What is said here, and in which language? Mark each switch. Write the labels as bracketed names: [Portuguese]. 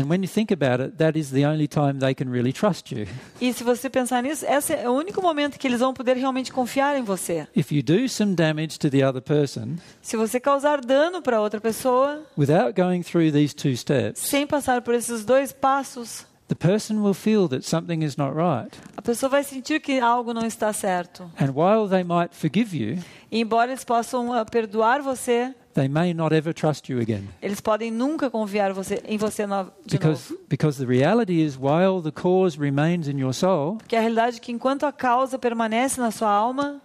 [English] And when you think about it, that is the only time they can really trust you. [Portuguese] E se você pensar nisso, esse é o único momento que eles vão poder realmente confiar em você. [English] If you do some damage to the other person, [Portuguese] se você causar dano para outra pessoa, [English] without going through these two steps, [Portuguese] sem passar por esses dois passos, [English] the person will feel that something is not right. [Portuguese] A pessoa vai sentir que algo não está certo. [English] And while they might forgive you, [Portuguese] e embora eles possam perdoar você, [English] they may not ever trust you again. [Portuguese] Eles podem nunca confiar em você de novo. [English] Because the reality is, while the cause remains in your soul, [Portuguese] porque a realidade é que enquanto a causa permanece na sua alma,